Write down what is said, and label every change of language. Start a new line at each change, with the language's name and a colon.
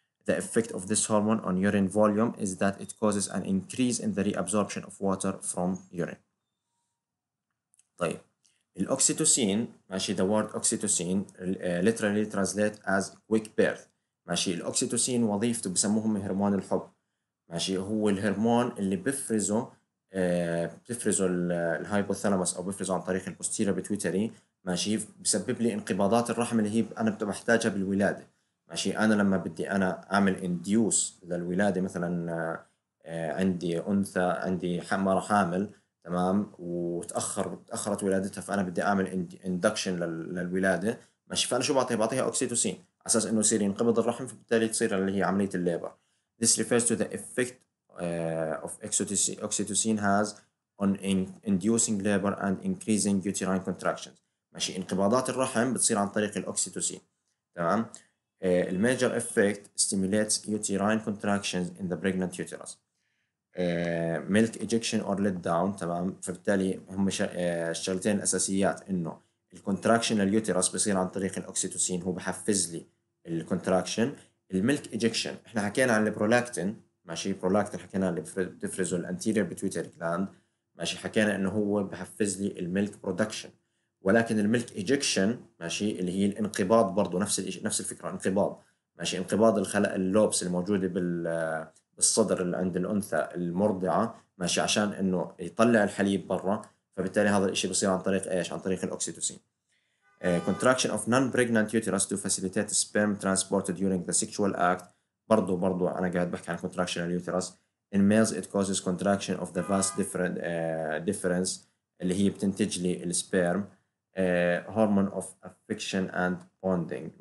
English: The effect of this hormone on urine volume is that it causes an increase in the reabsorption of water from urine.
Arabic: طيب الأكسيتوسين ماشي,
English: the word oxytocin literally translate as quick birth.
Arabic: ماشي الأكسيتوسين وظيفته بسموهم هرمون الحب. ماشي هو الهرمون اللي بفرزه الهايبوثالاموس أو بفرزه عن طريق البوستيريا بتويتري. ماشي بسبب لي انقباضات الرحم اللي هي أنا بحتاجها بالولادة. ماشي أنا لما بدي أنا أعمل induce للولادة مثلا عندي أنثى عندي حمرة حامل تمام وتأخرت ولادتها فأنا بدي أعمل induction للولادة. ماشي فأنا شو بعطيها؟ بعطيها أكسيتوسين أساس إنه يصير ينقبض الرحم فبالتالي تصير اللي هي عملية الليبر.
English: This refers to the effect of oxytocin has on inducing labor and increasing uterine contractions.
Arabic: ماشي انقباضات الرحم بتصير عن طريق الأكسيتوسين تمام.
English: The major effect stimulates uterine contractions in the pregnant uterus. Milk ejection or let down تمام.
Arabic: فبالتالي هم الشغلتين الأساسيات إنه الكونتراكشن لليوترس بصير عن طريق الأكسيتوسين هو بحفز لي الكونتراكشن. الميلك إيجكشن إحنا حكينا عن البرولاكتين ماشي, برولاكتين حكينا اللي بتفرزه الأنتيريور بتويتري جلاند ماشي, حكينا إنه هو بحفز لي الميلك برودكشن. ولكن الميلك إيجكشن ماشي اللي هي الانقباض برضو نفس الفكرة انقباض ماشي, انقباض الخلايا اللوبس الموجودة بالصدر اللي عند الأنثى المرضعة ماشي عشان إنه يطلع الحليب برا. فبالتالي هذا الشيء بيصير عن طريق ايش؟ عن طريق الاكسيتوسين.
English: Contraction of non-pregnant uterus to facilitate sperm transport during the sexual act.
Arabic: برضو انا قاعد بحكي عن
English: contraction of uterus. In males it causes contraction of the vast difference
Arabic: اللي هي بتنتج لي السبرم.
English: Hormone of affection and bonding.